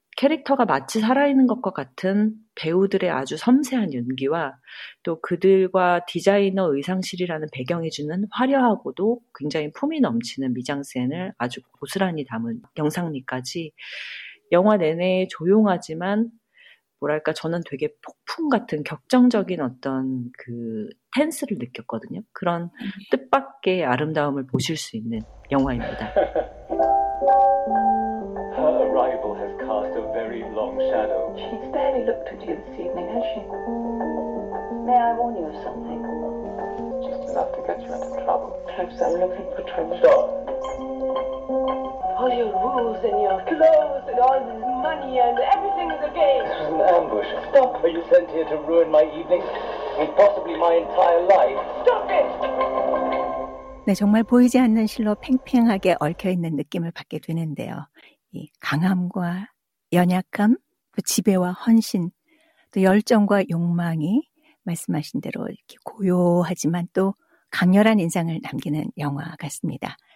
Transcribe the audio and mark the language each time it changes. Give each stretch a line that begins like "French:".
Korean: 캐릭터가 마치 살아있는 것과 같은 배우들의 아주 섬세한 연기와 또 그들과 디자이너 의상실이라는 배경이 주는 화려하고도 굉장히 품이 넘치는 미장센을 아주 고스란히 담은 영상미까지 영화 내내 조용하지만 뭐랄까 저는 되게 폭풍 같은 격정적인 어떤 그 텐스를 느꼈거든요. 그런 뜻밖의 아름다움을 보실 수 있는 영화입니다.
English: Her arrival has cast a very long shadow. She's barely looked at you this evening, has she? May I warn you of something? Just enough to get you into trouble. Perhaps I'm looking for trouble. Stop. All your rules and your clothes and all this money and everything is a game. This was an ambush. Stop. Are you sent here to ruin my evening and possibly my entire life? Stop it!
Korean: 네, 정말 보이지 않는 실로 팽팽하게 얽혀있는 느낌을 받게 되는데요. 이 강함과 연약함, 또 지배와 헌신, 또 열정과 욕망이 말씀하신 대로 이렇게 고요하지만 또 강렬한 인상을 남기는 영화 같습니다.